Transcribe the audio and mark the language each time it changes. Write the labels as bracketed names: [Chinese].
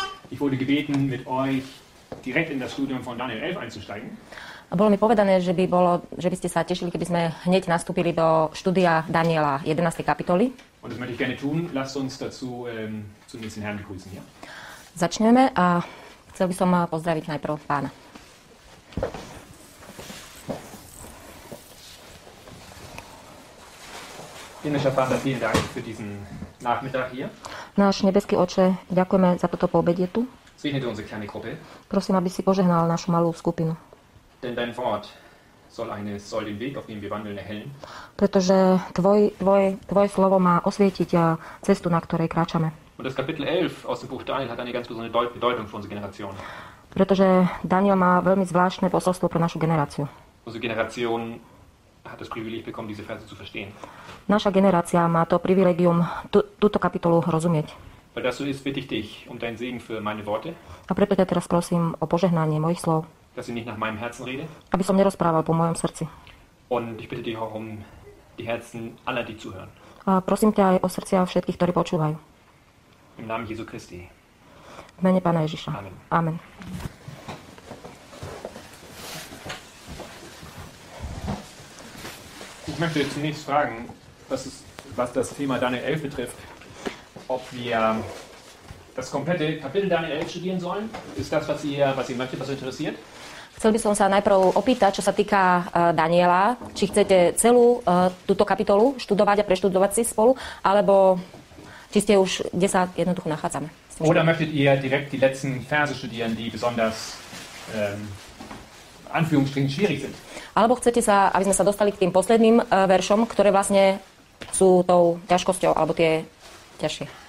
[German] Ich wurde gebeten mit euch direkt in das Studium von Daniel 11 einzusteigen. [Slovak] Bolo mi povedané, že by ste sa tešili, keby sme hneď nastúpili do štúdia Daniela 11. kapitoly. [German] Und das möchte ich gerne tun. Lasst uns dazu zunächst den Herrn begrüßen hier. [Slovak] Začneme a chcel by som pozdraviť najprv pána. [German] Himmlischer Vater, vielen Dank für diesen Nachmittag hier. [Slovak] Náš nebeský Oče, ďakujeme za toto poobedie tu. [German] Segne du unsere kleine Gruppe. [Slovak] Prosím, aby si požehnal našu malú skupinu. [German] Denn dein Wort soll den Weg, auf dem wir wandeln, erhellen. [Slovak] Pretože tvoje slovo má osvietiť cestu, na ktorej kráčame. [German] Und das Kapitel 11 aus dem Buch Daniel hat eine ganz besondere Bedeutung für unsere Generation. [Slovak] Pretože Daniel má veľmi zvláštne posolstvo pre našu generáciu. [German] Unsere Generation hat das Privileg bekommen, diese Verse zu verstehen. [Slovak] Naša generácia má to privilegium túto kapitolu rozumieť. [German] Weil das so ist, bitte ich dich um deinen Segen für meine Worte. [Slovak] A preto ja teraz prosím o požehnanie mojich slov. [German] Dass ich nicht nach meinem Herzen rede. [Slovak] Aby som nerozprával po mojom srdci. [German] Und ich bitte dich auch um die Herzen aller, die zuhören. [Slovak] A prosím ťa aj o srdcia všetkých, ktorí počúvajú. [German] Im Namen Jesu Christi. [Slovak] V mene Pána Ježiša. Amen. Amen. [German] Ich möchte zunächst fragen, was das Thema Daniel 11 betrifft, ob wir das komplette Kapitel Daniel 11 studieren sollen. Ist das, was ihr möchtet, was interessiert? [Slovak] Chcel by som sa najprv opýtať, čo sa týka Daniela, či chcete celú túto kapitolu študovať a preštudovať si spolu, alebo či ste už 10 jednoducho nachádzame. [German] Oder möchtet ihr direkt die letzten Verse studieren, die besonders Anführungsstrichen schwierig sind? [Slovak] Alebo chcete sa, aby sme sa dostali k tým posledným veršom, ktoré vlastne sú tou ťažkosťou, alebo tie ťažšie.